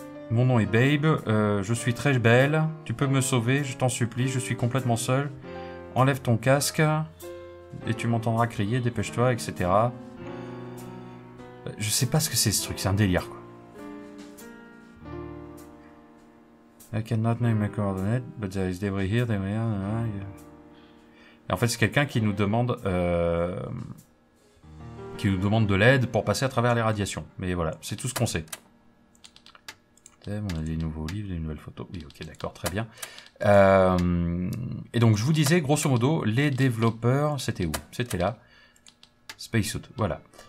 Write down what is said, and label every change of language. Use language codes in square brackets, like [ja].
[fr] Mon nom est Babe, je suis très belle, tu peux me sauver, je t'en supplie, je suis complètement seul. Enlève ton casque et tu m'entendras crier, dépêche-toi, etc. Je sais pas ce que c'est ce truc, c'est un délire quoi. [en] I cannot name my coordinate, but there is debris here, debris here. [fr] Et en fait, c'est quelqu'un qui nous demande de l'aide pour passer à travers les radiations. Mais voilà, c'est tout ce qu'on sait. On a des nouveaux livres, des nouvelles photos. Oui, ok, d'accord, très bien. Et donc, je vous disais, grosso modo, les développeurs, c'était où? C'était là. Spacesuit, voilà.